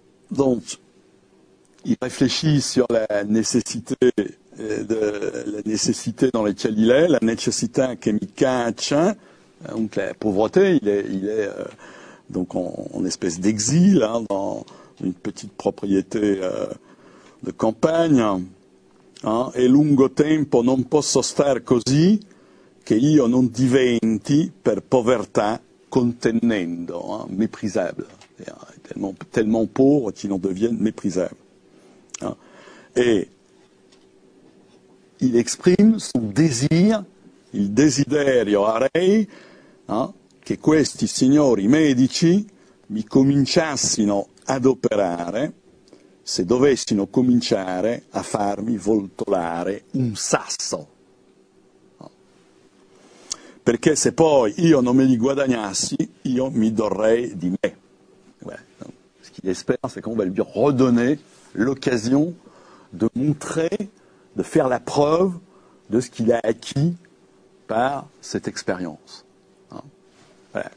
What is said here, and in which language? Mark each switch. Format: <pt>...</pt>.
<fr>Donc, il réfléchit sur la nécessité dans laquelle il est,</fr> <it>la necessità che mi caccia,</it> <fr>donc la pauvreté, il est donc en espèce d'exil, hein, dans une petite propriété de campagne,</fr> <it>hein, e lungo tempo non posso star così che io non diventi per povertà contendendo, hein, méprisable.</it> <fr>Tellement, tellement pauvre qu'il en devienne méprisable. Hein. Et il exprime son désir,</fr> <it>il desiderio a rei, hein, che questi signori medici mi cominciassino ad operare, se dovessino cominciare a farmi voltolare un sasso. Perché se poi io non me li guadagnassi, io mi dorrei di me.</it> <fr>Ce qu'il espère, c'est qu'on va lui redonner l'occasion de montrer, de faire la preuve de ce qu'il a acquis par cette expérience. Voilà.</fr>